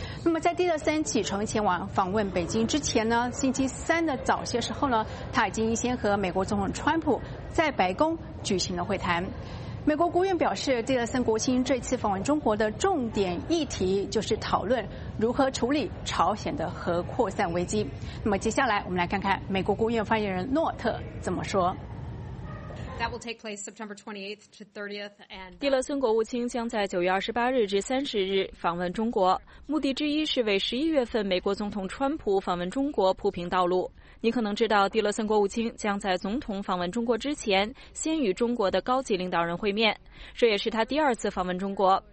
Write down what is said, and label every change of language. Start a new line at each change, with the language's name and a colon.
Chinese: 那么在蒂勒森启程前往访问北京之前呢，星期三的早些时候呢，他已经先和美国总统川普在白宫举行了会谈。美国国务院表示，蒂勒森国卿这次访问中国的重点议题就是讨论如何处理朝鲜的核扩散危机。那么接下来我们来看看美国国务院发言人诺特怎么说。
English: That will take place September 28th to 30th.
Chinese: 蒂勒森国务卿将在9月28日至30日访问中国，目的之一是为11月份美国总统川普访问中国铺平道路。你可能知道，蒂勒森国务卿将在总统访问中国之前，先与中国的高级领导人会面，这也是他第二次访问中国。